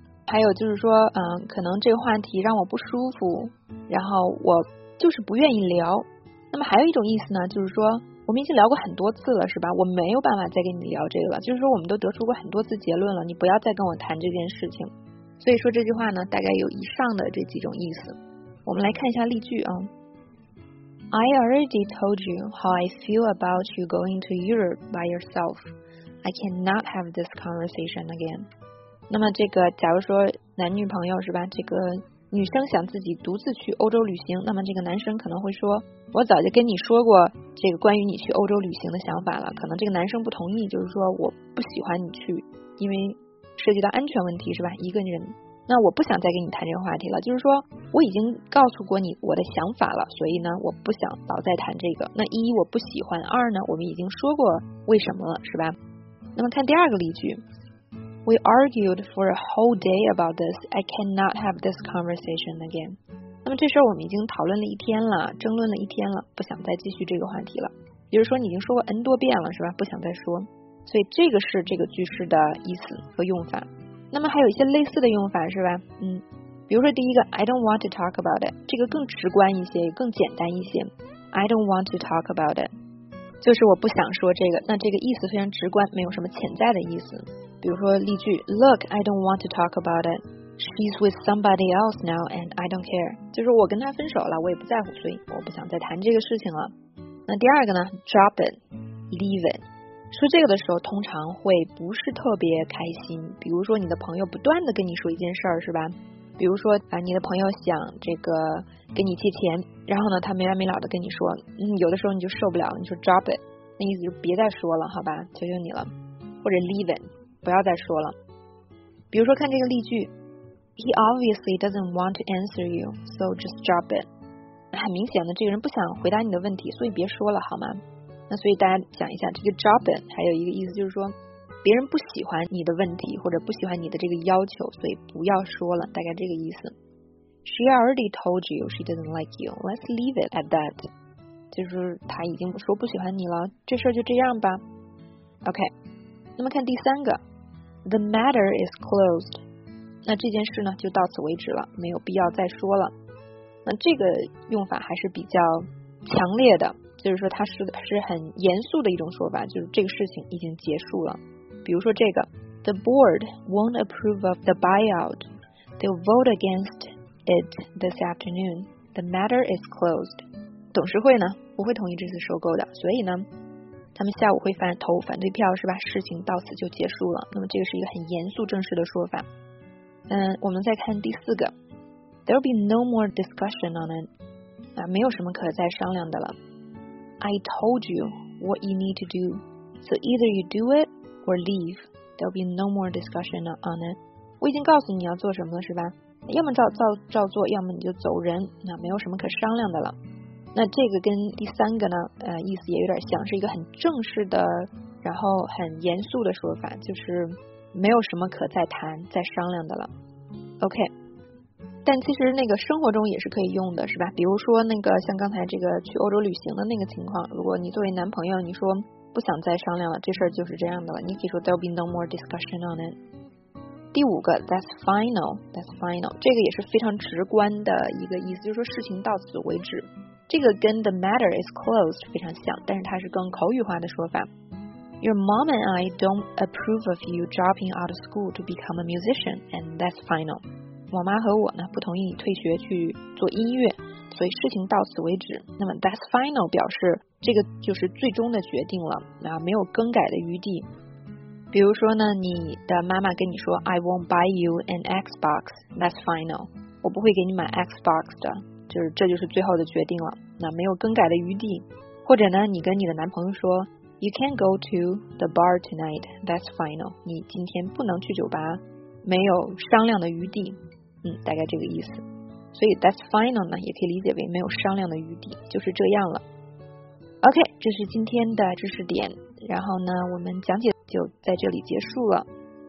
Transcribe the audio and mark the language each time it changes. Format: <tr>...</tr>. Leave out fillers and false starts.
<zh>还有就是说可能这个话题让我不舒服，然后我就是不愿意聊。那么还有一种意思呢，就是说我们已经聊过很多次了，是吧，我没有办法再跟你聊这个了，就是说我们都得出过很多次结论了，你不要再跟我谈这件事情。所以说这句话呢大概有以上的这几种意思。我们来看一下例句啊。</zh> <en>I already told you how I feel about you going to Europe by yourself. I cannot have this conversation again.</en> <zh>那么这个假如说男女朋友是吧，这个女生想自己独自去欧洲旅行，那么这个男生可能会说，我早就跟你说过这个关于你去欧洲旅行的想法了，可能这个男生不同意，就是说我不喜欢你去，因为涉及到安全问题是吧，一个人，那我不想再跟你谈这个话题了，就是说我已经告诉过你我的想法了，所以呢我不想老再谈这个。那一我不喜欢，二呢我们已经说过为什么了是吧。那么看第二个例句，</zh> <en>We argued for a whole day about this. I cannot have this conversation again.</en> <zh>那么这事儿我们已经讨论了一天了，争论了一天了，不想再继续这个话题了，也就是说你已经说过 N 多遍了是吧，不想再说。所以这个是这个句式的意思和用法。那么还有一些类似的用法是吧，比如说第一个</zh> <en>I don't want to talk about it，</en> <zh>这个更直观一些，更简单一些， I don't want to talk about it， 就是我不想说这个，那这个意思非常直观，没有什么潜在的意思。比如说例句，</zh> <en>Look I don't want to talk about it， She's with somebody else now and I don't care，</en> <zh>就是我跟她分手了，我也不在乎，所以我不想再谈这个事情了。那第二个呢， Drop it， Leave it，说这个的时候通常会不是特别开心。比如说你的朋友不断的跟你说一件事儿是吧，比如说你的朋友想这个跟你借钱，然后呢他没完没了的跟你说，有的时候你就受不了了，你说</zh> <en>drop it，</en> <zh>那意思就别再说了好吧，求求你了，或者</zh> <en>leave it，</en> <zh>不要再说了。比如说看这个例句，</zh> <en>He obviously doesn't want to answer you so just drop it，</en> <zh>很明显的这个人不想回答你的问题，所以别说了好吗。那所以大家想一下，这个 drop it 还有一个意思就是说别人不喜欢你的问题或者不喜欢你的这个要求，所以不要说了，大概这个意思。</zh> <en>She already told you she doesn't like you. Let's leave it at that.</en> <zh>就是他已经说不喜欢你了，这事就这样吧。</zh> <en>OK，</en> <zh>那么看第三个，</zh> <en>The matter is closed.</en> <zh>那这件事呢就到此为止了，没有必要再说了。那这个用法还是比较强烈的，就是说它是很严肃的一种说法，就是这个事情已经结束了。比如说这个</zh> <en>The board won't approve of the buyout. They'll vote against it this afternoon. The matter is closed.</en> <zh>董事会呢不会同意这次收购的，所以呢他们下午会投反对票是吧，事情到此就结束了。那么这个是一个很严肃正式的说法。我们再看第四个，</zh> <en>There'll be no more discussion on it.</en> <zh>没有什么可再商量的了。</zh> <en>I told you what you need to do, so either you do it or leave. There'll be no more discussion on it.</en> <zh>我已经告诉你要做什么了，是吧？要么照做，要么你就走人。那没有什么可商量的了。那这个跟第三个呢，意思也有点像，是一个很正式的，然后很严肃的说法，就是没有什么可再谈、再商量的了。</zh> <en>OK。</en> <zh>但其实那个生活中也是可以用的是吧，比如说那个像刚才这个去欧洲旅行的那个情况，如果你作为男朋友你说不想再商量了，这事儿就是这样的了，你可以说</zh> <en>There'll be no more discussion on it。</en> <zh>第五个</zh> <en>That's final，</en> <zh>这个也是非常直观的一个意思，就是说事情到此为止，这个跟</zh> <en>The matter is closed</en> <zh>非常像，但是它是更口语化的说法。</zh> <en>Your mom and I don't approve of you dropping out of school to become a musician and that's final，</en> <zh>我妈和我呢不同意你退学去做音乐，所以事情到此为止。那么</zh> <en>that's final</en> <zh>表示这个就是最终的决定了，没有更改的余地。比如说呢，你的妈妈跟你说</zh> <en>I won't buy you an Xbox, that's final，</en> <zh>我不会给你买 Xbox 的，就是这就是最后的决定了，那没有更改的余地。</zh> <en>或者呢，你跟你的男朋友说 You can go to the bar tonight, that's final.</en> <zh>你今天不能去酒吧，没有商量的余地。大概这个意思。所以</zh> <en>that's final</en> <zh>呢，也可以理解为没有商量的余地，就是这样了。 OK, 这是今天的知识点，然后呢，我们讲解就在这里结束了。</zh>